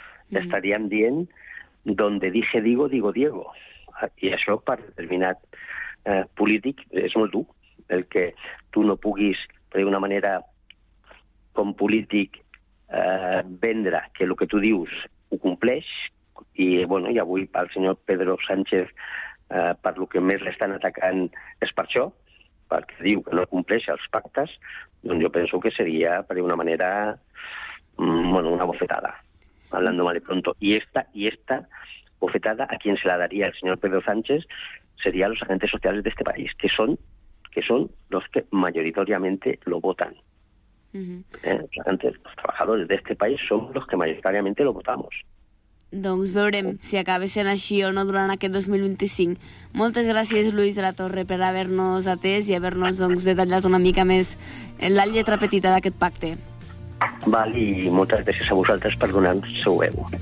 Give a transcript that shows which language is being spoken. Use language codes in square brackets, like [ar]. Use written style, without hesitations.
[ca] Estaríem dient [es] donde dije digo, digo Diego. [ca] I això per determinat polític és molt dur. El que tu no puguis, d'una manera com polític, vendre que el que tu dius ho compleix. I, bueno, i avui el senyor Pedro Sánchez, per el que més l'estan atacant és per això, perquè diu que no compleix els pactes, doncs jo penso que seria, per una manera, bueno, una bofetada, [es] hablando mal de pronto. I esta bofetada, a quien se la daría el señor Pedro Sánchez, seria a los agentes sociales de este país, que son los que mayoritariamente lo votan. Los trabajadores de este país son los que mayoritariamente lo votamos. [ca] Doncs veurem si acaba sent així o no durant aquest 2025. Moltes gràcies, Lluís de la Torre, per haver-nos atès i haver-nos doncs, detallat una mica més la lletra petita d'aquest pacte. Val, i moltes gràcies a vosaltres per donar-nos el seu veu.